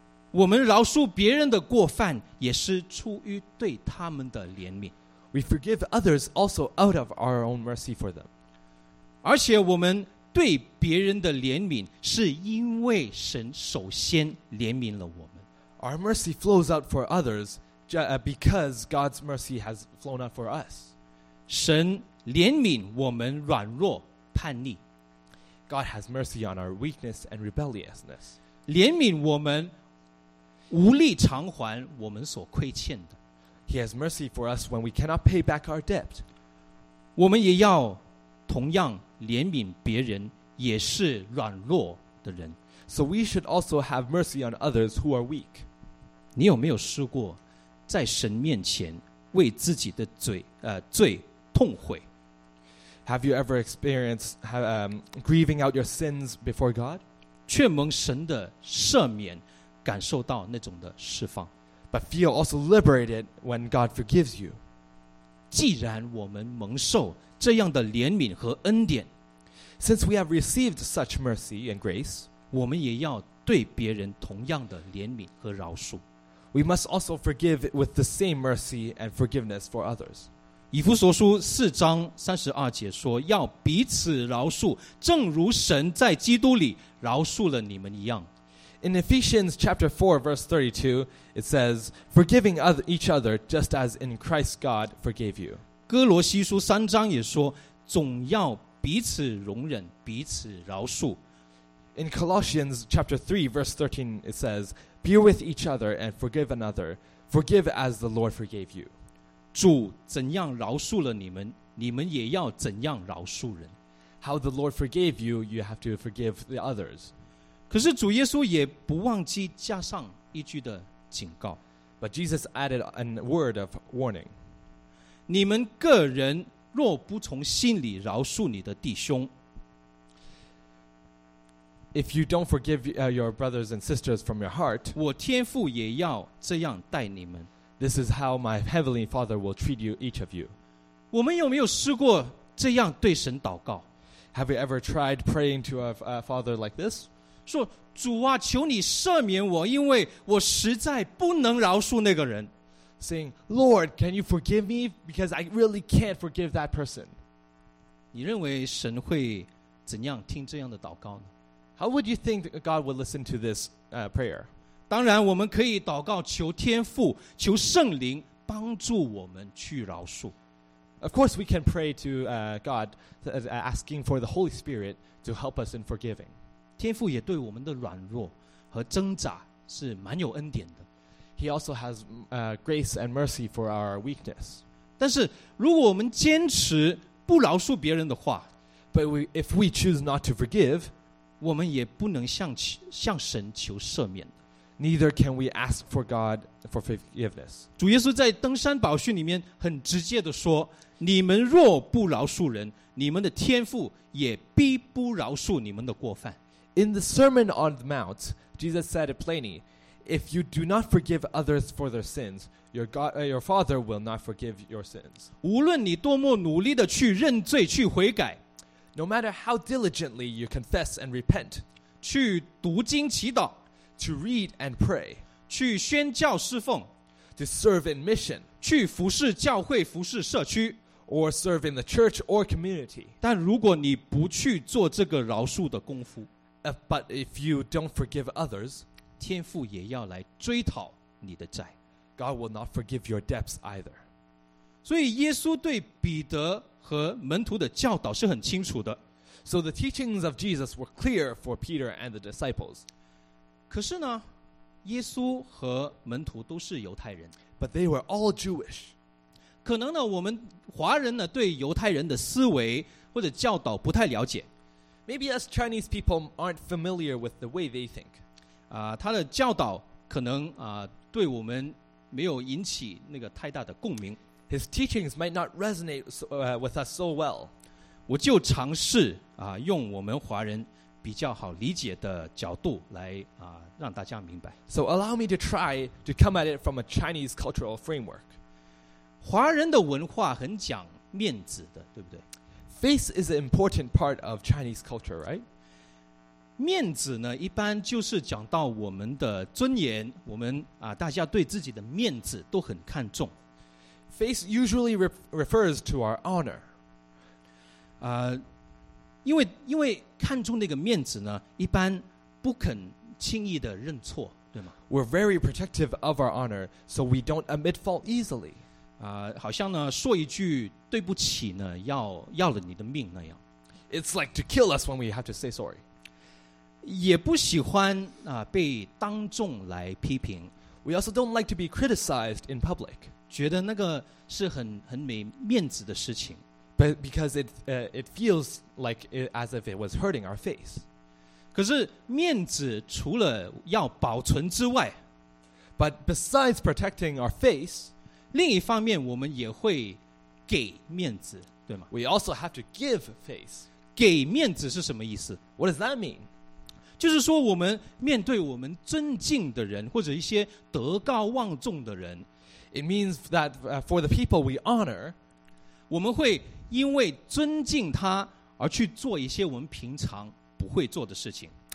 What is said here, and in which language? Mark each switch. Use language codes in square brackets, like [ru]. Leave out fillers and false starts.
[zh] 我们饶恕别人的过犯也是出于对他们的怜悯。 [en] We forgive others also out of our own mercy for them. [zh] 而且我们对别人的怜悯是因为神首先怜悯了我们。 [en] Our mercy flows out for others. Because God's mercy has flown out for us. [zh] 神怜悯我们软弱叛逆。 [en] God has mercy on our weakness and rebelliousness. [zh] 怜悯我们无力偿还我们所亏欠的。 [en] He has mercy for us when we cannot pay back our debt. [zh] 我们也要同样怜悯别人也是软弱的人。 [en] So we should also have mercy on others who are weak. [zh] 你有没有试过在神面前为自己的罪痛悔？ [en] Have you ever experienced grieving out your sins before God? [zh] 却蒙神的赦免，感受到那种的释放。 [en] But feel also liberated when God forgives you. [zh] 既然我们蒙受这样的怜悯和恩典， [en] Since we have received such mercy and grace, [zh] 我们也要对别人同样的怜悯和饶恕。 [en] We must also forgive with the same mercy and forgiveness for others. [zh] 以弗所书四章三十二节说，要彼此饶恕，正如神在基督里饶恕了你们一样。 [en] In Ephesians chapter 4 verse 32, it says, forgiving each other just as in Christ God forgave you. [zh] 哥罗西书三章也说，总要彼此容忍，彼此饶恕。 [en] In Colossians chapter 3 verse 13, it says, bear with each other and forgive another. Forgive as the Lord forgave you. [zh] 主怎样饶恕了你们，你们也要怎样饶恕人。 [en] How the Lord forgave you, you have to forgive the others. [zh] 可是主耶稣也不忘记加上一句的警告。 [en] But Jesus added a word of warning. [zh] 你们个人若不从心里饶恕你的弟兄， [en] If you don't forgive your brothers and sisters from your heart， [zh] 我天父也要这样待你们。 [en] This is how my heavenly father will treat you, each of you。 [zh] 我们有没有试过这样对神祷告？ [en] Have you ever tried praying to a father like this？ [zh] 说主啊，求你赦免我，因为我实在不能饶恕那个人。 [en] Saying, Lord, can you forgive me? Because I really can't forgive that person. [zh] 你认为神会怎样听这样的祷告呢？ [en] How would you think God would listen to this prayer? [zh] 当然我们可以祷告求天父，求圣灵帮助我们去饶恕。 [en] Of course we can pray to God asking for the Holy Spirit to help us in forgiving. [zh] 天父也对我们的软弱和挣扎是蛮有恩典的。 [en] He also has grace and mercy for our weakness. [zh] 但是如果我们坚持不饶恕别人的话， [en] But if we choose not to forgive, [zh] 我们也不能向神求赦免。 [en] Neither can we ask for God for forgiveness. [zh] 主耶稣在登山宝训里面很直接地说，你们若不饶恕人，你们的天父也必不饶恕你们的过犯。 [en] In the Sermon on the Mount, Jesus said it plainly,If you do not forgive others for their sins, your father will not forgive your sins. [zh] 无论你多么努力地去认罪、去悔改， [en] No matter how diligently you confess and repent, [zh] 去读经祈祷， [en] To read and pray, [zh] 去宣教侍奉， [en] To serve in mission, [zh] 去服侍教会、服侍社区， [en] Or serve in the church or community. [zh] 但如果你不去做这个饶恕的功夫， [en] But if you don't forgive others, [zh] 天父也要来追讨你的债。 [en] God will not forgive your debts either. [zh] 所以耶稣对彼得和门徒的教导是很清楚的。 [en] So the teachings of Jesus were clear for Peter and the disciples. [zh] 可是呢，耶稣和门徒都是犹太人。 [en] But they were all Jewish. [zh] 可能呢，我们华人呢，对犹太人的思维或者教导不太了解。 [en] Maybe us Chinese people aren't familiar with the way they think. [zh] 他的教导可能对我们没有引起那个太大的共鸣。 [en] His teachings might not resonate with us so well. [zh] 我就尝试用我们华人比较好理解的角度来让大家明白。 [en] So allow me to try to come at it from a Chinese cultural framework. [zh] 华人的文化很讲面子的，对不对？ [en] Face is an important part of Chinese culture, right? [zh] 面子呢，一般就是讲到我们的尊严，我们大家对自己的面子都很看重。 [en] Face usually refers to our honor. [zh] 因为看重那个面子呢，一般不肯轻易的认错，对吗？ [en] We're very protective of our honor, so we don't admit fault easily. [zh] 好像呢，说一句对不起呢，要了你的命那样。 [en] It's like to kill us when we have to say sorry. [zh] 也不喜欢被当众来批评。 [en] We also don't like to be criticized in public. [zh] 觉得那个是很没面子的事情。 [en] But because it feels like as if it was hurting our face. [zh] 可是面子除了要保存之外， [en] But besides protecting our face, [zh] 另一方面我们也会给面子，对吗？ [en] We also have to give face. [zh] 给面子是什么意思？ [en] What does that mean? [zh] 就是说我们面对我们尊敬的人或者一些德高望重的人， [en] It means that for the people we honor, [zh] 我们会因为尊敬他而去做一些我们平常不会做的事情。